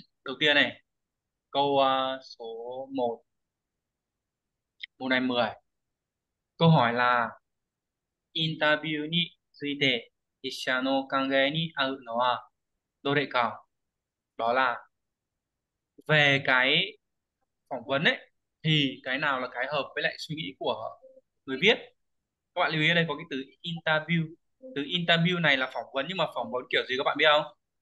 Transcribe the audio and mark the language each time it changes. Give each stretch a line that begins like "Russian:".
Vietnamese: Đầu tiên này, câu số 1, mùa này 10. Câu hỏi là
Japanese: interview について筆者の考えに合うのはどれか。
Vietnamese: Đó là về cái phỏng vấn ấy thì cái nào là cái hợp với lại suy nghĩ của người viết. Các bạn lưu ý ở đây có cái từ interview. Từ interview này là phỏng vấn, nhưng mà phỏng vấn kiểu gì các bạn biết không?